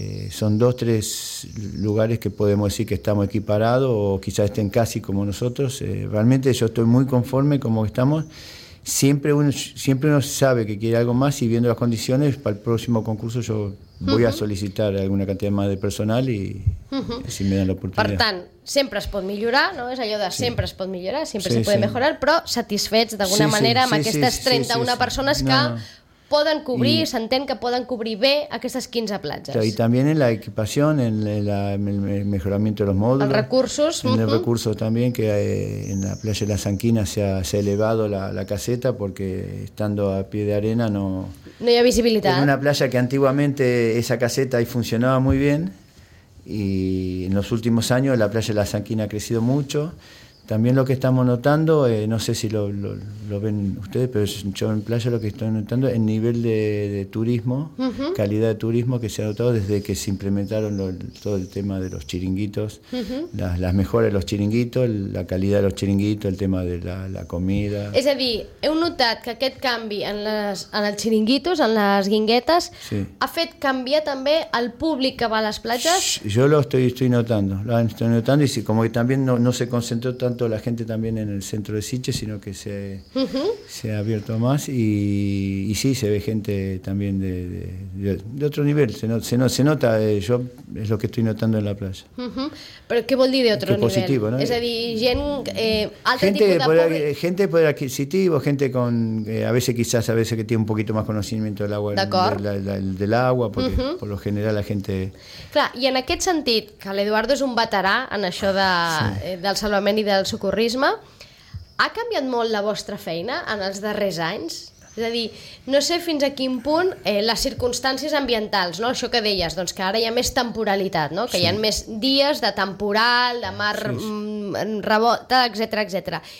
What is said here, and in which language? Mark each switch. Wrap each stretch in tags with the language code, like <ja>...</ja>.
<es>Son 2-3 lugares que podemos decir que estamos equiparados o quizás estén casi como nosotros. Realmente yo estoy muy conforme como estamos. Siempre uno sabe que quiere algo más y viendo las condiciones, para el próximo concurso yo voy a solicitar alguna cantidad más de personal y si me dan la oportunidad.</es> <ca>Per tant, sempre es pot millorar, no? És allò de sempre es pot millorar,</ca> <es>sempre se puede mejorar,</es> <ca>però satisfets d'alguna manera amb aquestes 31 persones que... Poden cobrir, s'entén que poden cobrir bé aquestes 15 platges. I també</ca> <es>en la equipació, en el mejoramiento de los módulos.</es> <ca>Els recursos.</ca> <es>En el recurso també, que en la playa de la Sanquina se ha elevado la caseta porque estando a pie de arena no...</es> <ca>No hi ha visibilitat.</ca> <es>En una playa que antiguamente esa caseta ahí funcionaba muy bien y en los últimos años la playa de la Sanquina ha crecido mucho. también lo que estamos notando, no sé si lo ven ustedes, pero yo en playa lo que estoy notando es el nivel de turismo, uh-huh, calidad de turismo que se ha dotado desde que se implementaron todo el tema de los chiringuitos, uh-huh, las mejoras de los chiringuitos, la calidad de los chiringuitos, el tema de la comida.</es> <ca>És a dir, heu notat que aquest canvi en els chiringuitos, en les guinguetes, sí, ha fet canviar també el públic que va a les platges?</ca> <es>Jo lo estoy notando y como que también no se concentró tanto la gente también en el centro de Siche, sino que se, uh-huh, se ha abierto más y sí, se ve gente también de otro nivel, se nota, yo es lo que estoy notando en la playa. Uh-huh. Pero ¿qué</es> <ca>vol dir</ca> <es>de otro nivel? Positivo, ¿no? Es decir, gente de poder adquisitivo, gente con a veces que tiene un poquito más conocimiento del agua, del agua, porque uh-huh, por lo general la gente...</es> <ca>Clar, i en aquest sentit, que l'Eduardo és un veterà en això de, sí, del salvament i del socorrisme, ha canviat molt la vostra feina en els darrers anys? És a dir, no sé fins a quin punt les circumstàncies ambientals, no? Això que deies, doncs que ara hi ha més temporalitat, no? Que sí, hi ha més dies de temporal, de mar, sí, sí, revolta, etcètera, etcètera.</ca>